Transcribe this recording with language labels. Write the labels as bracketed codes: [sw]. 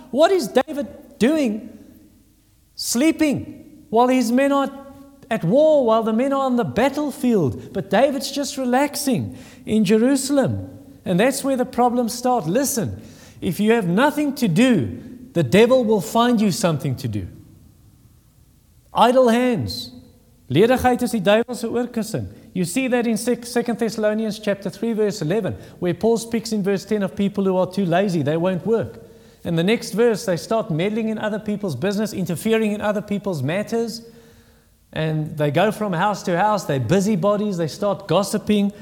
[en] What is David doing sleeping while his men are at war, while the men are on the battlefield? But David's just relaxing in Jerusalem. And that's where the problems start. Listen, if you have nothing to do, the devil will find you something to do. Idle hands. [af] Ledigheid is die duivelse oorkussing. [en] You see that in 2 Thessalonians chapter 3, verse 11, where Paul speaks in verse 10 of people who are too lazy, they won't work. In the next verse, they start meddling in other people's business, interfering in other people's matters. And they go from house to house, they're busybodies, they start gossiping.